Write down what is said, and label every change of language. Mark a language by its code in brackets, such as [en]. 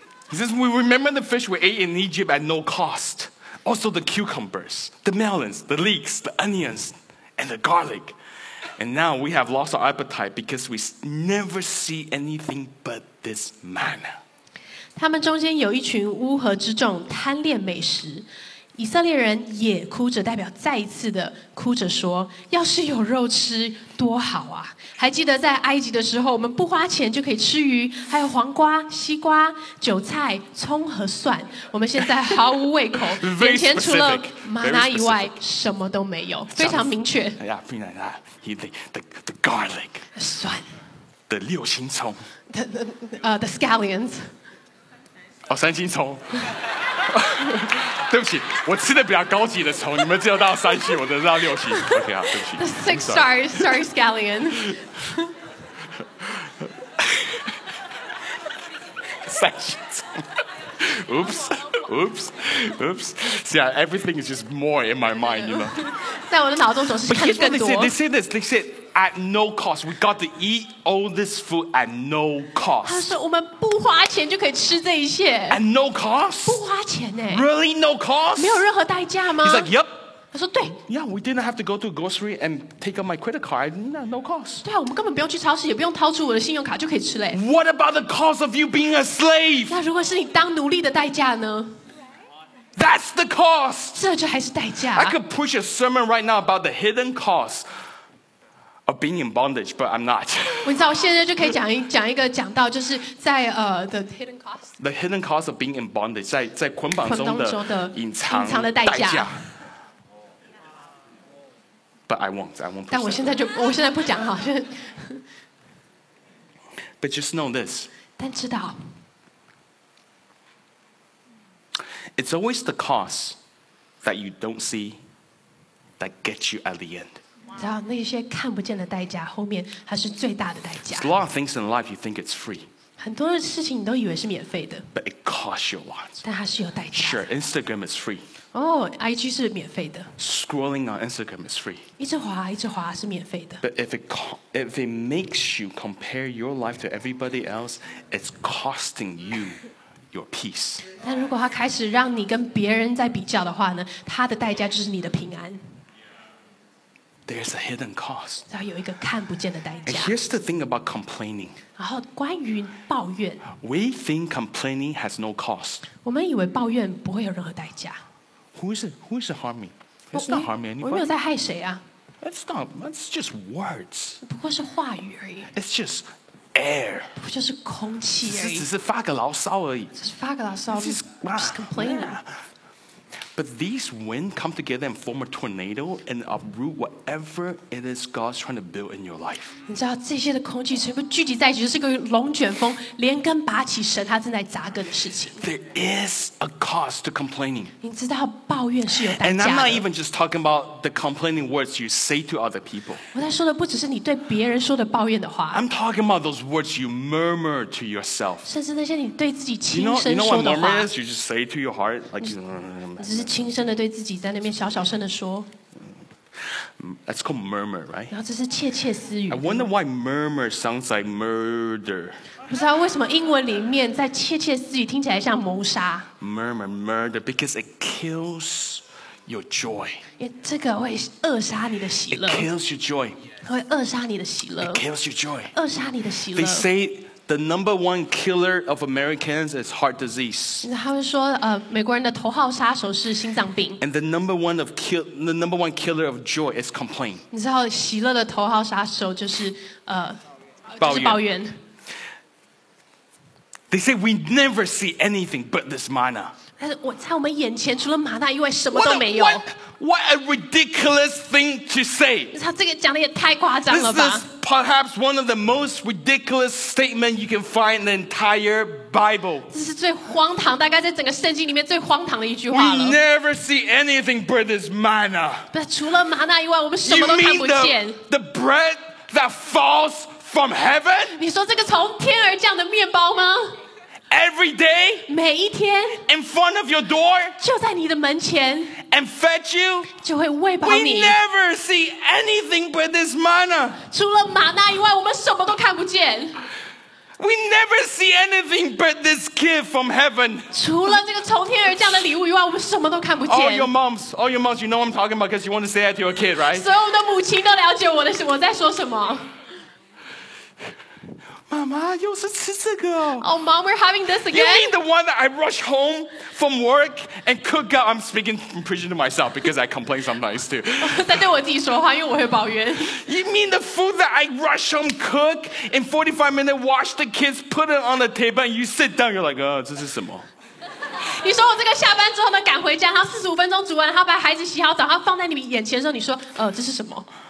[en] He says, we remember the fish we ate in Egypt at no cost. Also the cucumbers, the melons, the leeks, the onions, and the garlic. And now we have lost our appetite because we never see anything but this manna. [zh] 他们中间有一群乌合之众贪恋美食，以色列人也哭着，代表再一次的哭着说：“要是有肉吃多好啊！” 还记得在埃及的时候，我们不花钱就可以吃鱼，还有黄瓜、西瓜、韭菜、葱和蒜。我们现在毫无胃口，眼前除了玛拿以外什么都没有，非常明确。 [en] Yeah, finally, the garlic, [zh] 蒜 the 六星葱 [en] the scallions, [zh] 哦，三星葱。对不起，我吃的比较高级的虫，你们只有到三星，我只有到六星。 OK 啊，对不起。 [en] The six stars, sorry, scallion. [zh] 三星虫。 [en] Oops, oops, oops. See, yeah, everything is just more in my mind, you know. [zh] 在我的脑中总是看更多。 [en] They say this. They said at no cost, we got to eat all this food at no cost. [zh] 他说我们不花钱就可以吃这一切。 [en] At no cost? [zh] 不花钱呢、欸、 [en] Really no cost? [zh] 没有任何代价吗 [en] ？He's like, yep. [zh] 他说对。 [en] Yeah, we didn't have to go to a grocery and take out my credit card. No, no cost. [zh] 对啊，我们根本不用去超市，也不用掏出我的信用卡就可以吃嘞、欸。 [en] What about the cost of you being a slave? [zh] 那如果是你当奴隶的代价呢？ [en] That's the cost. [zh] 这就还是代价。 [en] I could preach a sermon right now about the hidden cost of being in bondage, but I'm not. [zh] 我知道，我现在就可以讲一个就是在 [en] the hidden cost. The hidden cost of being in bondage, [zh] 在捆绑中的隐藏的代价。 [en] But I won't. [zh] 但我现在就我现在不讲哈。 [en] But just know this. [zh] 但知道。 [en] It's always the cost that you don't see that gets you at the end. [zh] 知道那些看不见的代价，后面它是最大的代价。 [en] A lot of things in life you think it's free. [zh] 很多事情你都以为是免费的。 [en] But it costs you a lot. [zh] 但它是有代价。 [en] Sure, Instagram is free. [zh] IG 是免费的。 [en] Scrolling on Instagram is free. [zh] 一直滑是免费的。 [en] But if it makes you compare your life to everybody else, it's costing you. Your peace. [zh] 但如果他开始让你跟别人在比较的话呢，他的代价就是你的平安。 [en] There's a hidden cost. [zh] 要有一个看不见的代价。 [en] And here's the thing about complaining. [zh] 然后关于抱怨。 [en] We think complaining has no cost. [zh] 我们以为抱怨不会有任何代价。 [en] Who is it harming? It's not harming anybody. [zh] 我没有在害谁啊。 [en] It's not. It's just words. [zh] 不过是话语而已。 [en] It's just air. [zh] 不就是空气而已？只是发个牢骚而已。只是发个牢骚。 [en] Just complaining.、Yeah. But these winds come together and form a tornado and uproot whatever it is God's trying to build in your life. [zh] 你知道这些的空气全部聚集在一起，就是个龙卷风，连根拔起神他正在扎根的事情。 [en] There is a cost to complaining. [zh] 你知道抱怨是有代价的。 [en] And I'm not even just talking about the complaining words you say to other people. [zh] 我在说的不只是你对别人说的抱怨的话。 [en] I'm talking about those words you murmur to yourself. [zh] 甚至那些你对自己轻声说的话。 [en] You know what murmur is? You just say to your heart, like. [zh] 只是轻声的对自己在那边小小声的说。 [en] That's called murmur, right? [zh] 然后这是窃窃私语。 [en] I wonder why murmur sounds like murder. [zh] 不知道为什么英文里面在窃窃私语听起来像谋杀。 [en] Murmur, murder, because it kills your joy. [zh] 因为这个会扼杀你的喜乐。 [en] It kills your joy. [zh] 会扼杀你的喜乐。 [en] It kills your joy. [zh] 扼杀你的喜乐。 [en] They say. The number one killer of Americans is heart disease. [zh] 他们说，美国人的头号杀手是心脏病。 [en] And the number one killer of joy is complaint. [zh] 你知道喜乐的头号杀手就是抱怨。 [en] They say we never see anything but this manna. [zh] 但是我在我们眼前除了玛纳以外什么都没有。 [en] What a ridiculous thing to say! [zh] 你知道这个讲的也太夸张了吧？ [en] Perhaps one of the most ridiculous statements you can find in the entire Bible. [zh] 这是最荒唐，大概在整个圣经里面最荒唐的一句话了。 [en] We never see anything but this manna. [zh] 除了玛纳以外，我们什么都看不见。 [en] You mean the bread that falls from heaven? [zh] 你说这个从天而降的面包吗？ [en] Every day, [zh] 每一天 [en] in front of your door, [zh] 就在你的门前 [en] and fed you, [zh] 就会喂饱你。 [en] We never see anything but this manna. [zh] 除了玛纳以外，我们什么都看不见。 [en] We never see anything but this gift from heaven. [zh] 除了这个从天而降的礼物以外，我们什么都看不见。 [en] All your moms, you know what I'm talking about because you want to say that to your kid, right? [zh] 所有的母亲都了解我在说什么。妈妈又是吃这个哦 [en] Oh, mom, we're having this again. You mean the one that I rush home from work and cook up? I'm speaking from prison to myself because I complain sometimes too. [zh] 在对我自己说话，因为我会抱怨。 [en] You mean the food that I rush home, cook in 45 minutes, wash the kids, put it on the table, and you sit down? You're like, oh, [zh] 这是什么？你说我这个下班之后呢，赶回家，然后45分钟煮完，然后把孩子洗好澡，然后放在你们眼前的时候，你说，这是什么？